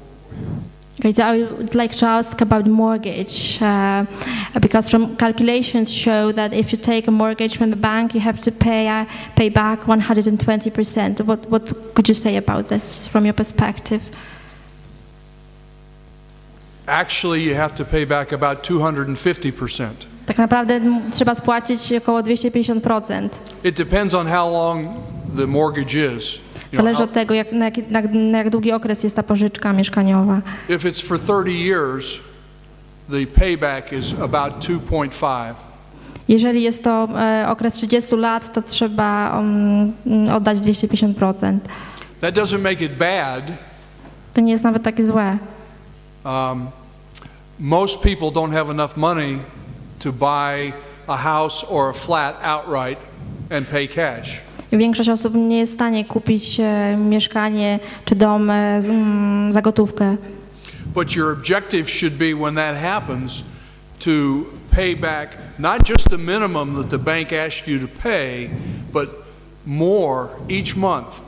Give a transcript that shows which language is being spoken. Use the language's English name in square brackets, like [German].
[English] Mm-hmm. I would like to ask about mortgage, because some calculations show that if you take a mortgage from the bank, you have to pay back 120%. What could you say about this from your perspective? Actually, you have to pay back about 250%. [Polish] Tak naprawdę trzeba spłacić około 250%. [English] It depends on how long the mortgage is. [Polish] Zależy od tego, na jak długi okres jest ta pożyczka mieszkaniowa. [English] If it's for 30 years, the payback is about 2.5. [Polish] Jeżeli jest to okres 30 lat, to trzeba oddać 250%. [English] That doesn't make it bad. [Polish] To nie jest nawet takie złe. [English] Most people don't have enough money to buy a house or a flat outright and pay cash. [Polish] Większość osób nie jest w stanie kupić mieszkanie czy dom za gotówkę. [English] But your objective should be, when that happens, to pay back not just the minimum that the bank asks you to pay, but more each month.